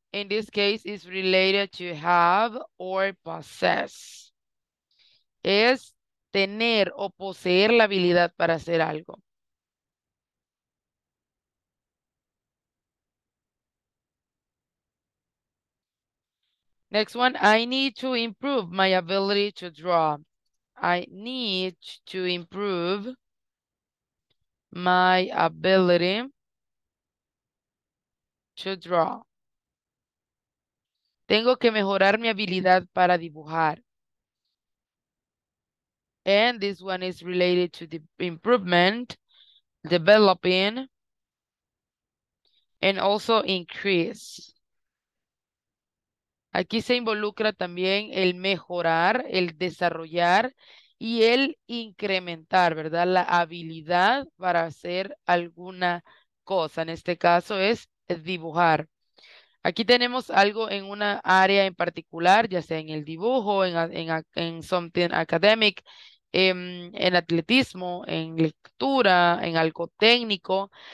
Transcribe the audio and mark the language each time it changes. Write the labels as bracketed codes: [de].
[en] In this case, it's related to have or possess. [es] Es tener o poseer la habilidad para hacer algo. [en] Next one, I need to improve my ability to draw. I need to improve my ability to draw. [es] Tengo que mejorar mi habilidad para dibujar. [en] And this one is related to the improvement, developing, and also increase. [es] Aquí se involucra también el mejorar, el desarrollar y el incrementar, ¿verdad? La habilidad para hacer alguna cosa. En este caso es dibujar. Aquí tenemos algo en una área en particular, ya sea en el dibujo, en [en] something academic, [es] en atletismo, en lectura, en algo técnico.